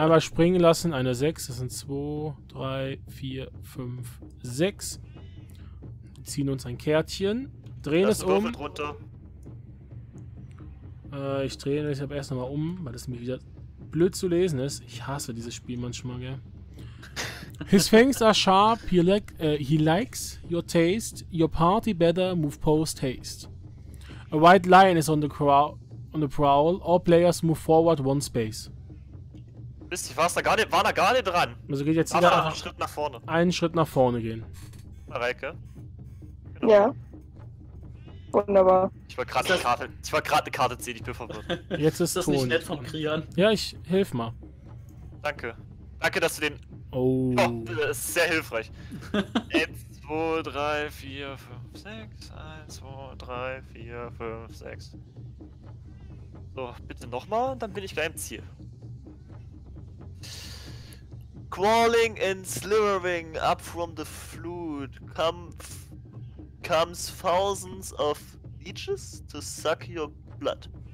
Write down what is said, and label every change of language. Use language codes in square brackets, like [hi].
[de] Einmal springen lassen. Eine 6. Das sind 2, 3, 4, 5, 6. Wir ziehen uns ein Kärtchen. Drehen es um. Runter. Ich drehe es aber erst nochmal um, weil das mir wieder blöd zu lesen ist. Ich hasse dieses Spiel manchmal, gell? [en] His fangs are sharp, he likes your taste, your party better, move post haste. A white lion is on the prowl, all players move forward one space. [de] Wisst ihr, war da gerade dran. Also geht jetzt wieder einen Schritt nach vorne. Einen Schritt nach vorne gehen. Mareike? Genau. Ja. Wunderbar. Ich wollte gerade eine Karte ziehen, ich bin verwirrt. Jetzt ist das Ton. Nicht nett von Krian. Ja, ich helf mal. Danke. Danke, dass du den. Oh. Das ist sehr hilfreich. 1, 2, 3, 4, 5, 6. 1, 2, 3, 4, 5, 6. So, bitte nochmal, dann bin ich beim Ziel. [en] Crawling and slithering up from the flood comes thousands of leeches to suck your blood.